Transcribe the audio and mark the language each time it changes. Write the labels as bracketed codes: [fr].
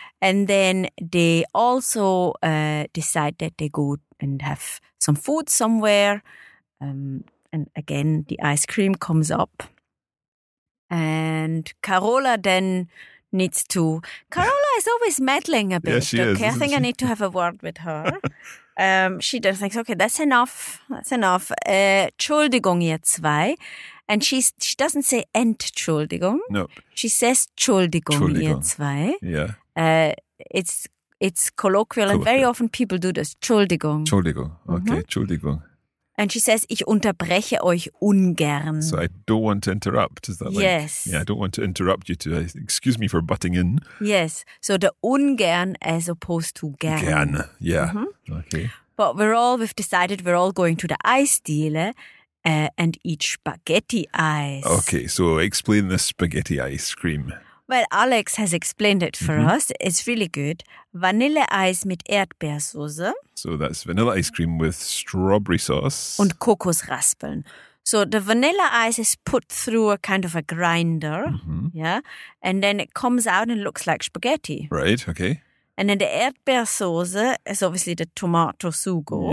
[en] And then they also decide that they go and have some food somewhere. And again, the ice cream comes up. And Carola then needs to... Carola is always meddling a bit. Yeah, she is, I think she? I need to have a word with her. she just thinks, okay, that's enough. [de] Entschuldigung, ihr zwei. [en] And she doesn't say Entschuldigung. No. She says [de] Entschuldigung, ihr zwei. [en] Yeah. It's colloquial and very often people do this. [de] Entschuldigung. Okay, Entschuldigung. Mm-hmm. [en] And she says, [de] ich unterbreche euch ungern. [en] So I don't want to interrupt, is that like? Yes. Yeah, I don't want to interrupt you too. Excuse me for butting in. Yes. So the ungern as opposed to gern. Gern, yeah. Mm-hmm. Okay. But we've decided we're all going to the Eisdiele. And eat spaghetti ice. Okay, so explain the spaghetti ice cream. Well, Alex has explained it for us. It's really good. [de] Vanille ice mit Erdbeersoße. [en] So that's vanilla ice cream with strawberry sauce. [de] Und Kokosraspeln. [en] So the vanilla ice is put through a kind of a grinder. Mm-hmm. Yeah. And then it comes out and looks like spaghetti. Right. Okay. And then the Erdbeersoße is obviously the tomato sugo.